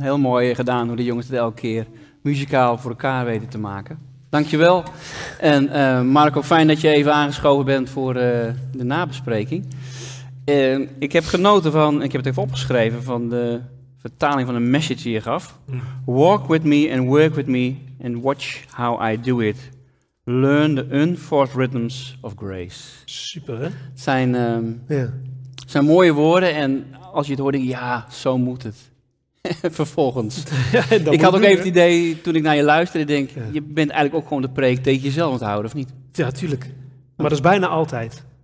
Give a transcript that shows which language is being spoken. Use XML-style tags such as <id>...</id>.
<nl>Heel mooi gedaan hoe de jongens het elke keer muzikaal voor elkaar weten te maken. Dankjewel. En Marco, fijn dat je even aangeschoven bent voor de nabespreking. Ik heb genoten van, ik heb het even opgeschreven, van de vertaling van de message die je gaf.</nl> <en>Walk with me and work with me and watch how I do it. Learn the unforced rhythms of grace.</en> <nl>Super, hè? Het zijn, zijn mooie woorden en als je het hoort, denk je, ja, zo moet het. Vervolgens. Ja, ik had ook even het idee, toen ik naar je luisterde, denk, je bent eigenlijk ook gewoon de preek tegen jezelf aan het houden, of niet? Ja, tuurlijk. Maar dat is bijna altijd.</nl>